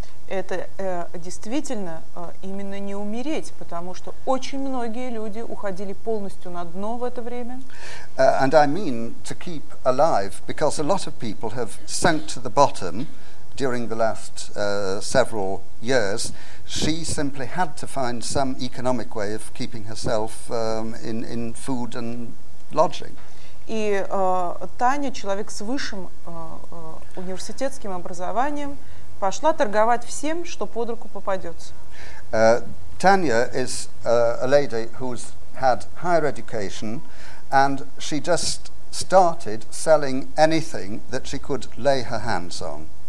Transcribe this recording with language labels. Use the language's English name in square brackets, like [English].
[Russian] Это действительно именно не умереть, потому что очень многие люди уходили полностью на дно в это время. [English] And I mean to keep alive, because a lot of people have sunk to the bottom during the last several years. She simply had to find some economic way of keeping herself in food and lodging. [Russian] И Таня, человек с высшим университетским образованием, пошла торговать всем, что под руку попадется. [English] Tanya is a lady who's had higher education, and she just started selling anything that she could lay her hands on.